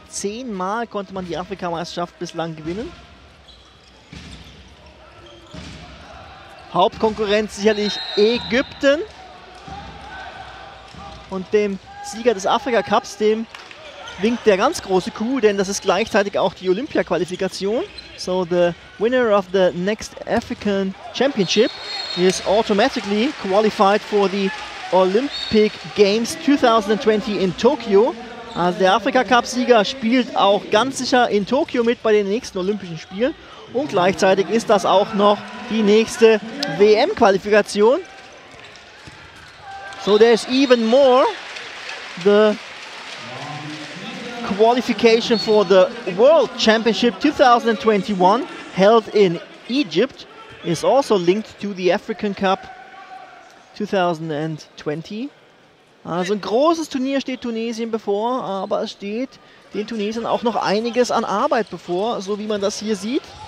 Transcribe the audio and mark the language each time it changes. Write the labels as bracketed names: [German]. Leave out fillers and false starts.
[German] 10-mal konnte man die Afrikameisterschaft bislang gewinnen. Hauptkonkurrent sicherlich Ägypten. Und dem Sieger des Afrika-Cups, dem winkt der ganz große Coup, denn das ist gleichzeitig auch die Olympia-Qualifikation. [English] So the winner of the next African Championship is automatically qualified for the Olympic Games 2020 in Tokyo. [German] Also der Afrika-Cup-Sieger spielt auch ganz sicher in Tokio mit bei den nächsten Olympischen Spielen. Und gleichzeitig ist das auch noch die nächste WM-Qualifikation. [English] So there's even more the qualification for the World Championship 2021 held in Egypt is also linked to the African Cup 2020. [German] Also ein großes Turnier steht Tunesien bevor, aber es steht den Tunesiern auch noch einiges an Arbeit bevor, so wie man das hier sieht.